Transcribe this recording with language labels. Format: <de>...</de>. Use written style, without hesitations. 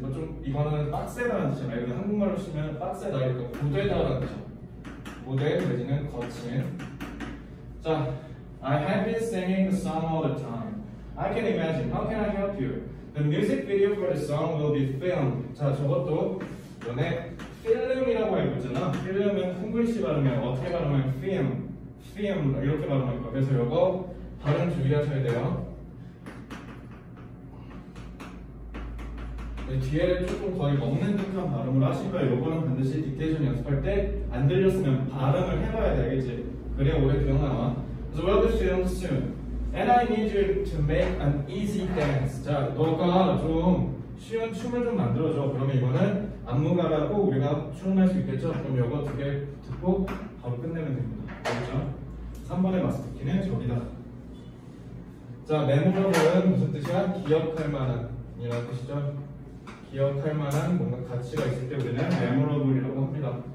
<ko>뭐 좀, 이거는 빡세다라는 뜻이야. 여기 한국말로 쓰면 빡세다. 그러니까 고되다라는 뜻이야. 고된 내지는 거친.</ko> <en>자, I have been singing the song all the time. I can imagine. How can I help you? The music video for the song will be filmed.</en> <ko>자, 저것도 전에 필름이라고 해보잖아. 필름은 한 글씨 발음이야. 어떻게 발음하면 film. film. 이렇게 발음할 거야. 그래서 이거 발음 주의하셔야 돼요. 뒤에를 조금 거의 먹는 듯한 발음을 하시고요. 요거는 반드시 딕테이션 연습할 때 안 들렸으면 발음을 해봐야 되겠지. 그래야 오래 기억나와.</ko> <en>So we'll be filming soon. And I need you to make an easy dance.</en> <ko>자, 너가 좀 쉬운 춤을 좀 만들어줘. 그러면 이거는 안무가라고 우리가 춤을 할 수 있겠죠? 그럼 요거 두 개 듣고 바로 끝내면 됩니다. 알겠죠? 3번의 마스터 키는 저기다. 자, 메모러블은 무슨 뜻이야? 기억할 만한 이라는 뜻이죠? 기억할 만한 뭔가 가치가 있을 때 우리는 memorable이라고 합니다.</ko>